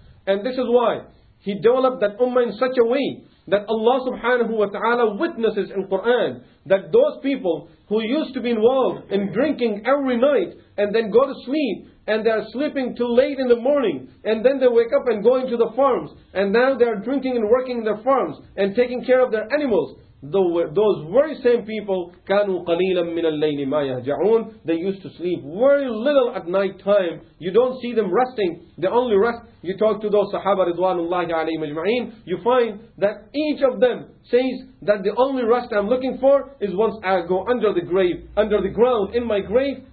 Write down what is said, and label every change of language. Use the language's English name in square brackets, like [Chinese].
[English] And this is why he developed that ummah in such a way that Allah subhanahu wa ta'ala witnesses in Quran that those people who used to be involved in drinking every night and then go to sleep, and they are sleeping till late in the morning, and then they wake up and go into the farms, and now they are drinking and working in their farms and taking care of their animals. Those very same people, [Arabic] كانوا قليلا من الليل ما يهجعون. [English] They used to sleep very little at night time. You don't see them resting. They only rest. You talk to those Sahaba Ridwanullahi alayhi majma'in, you find that each of them says that the only rest I'm looking for is once I go under the grave, under the ground, in my grave.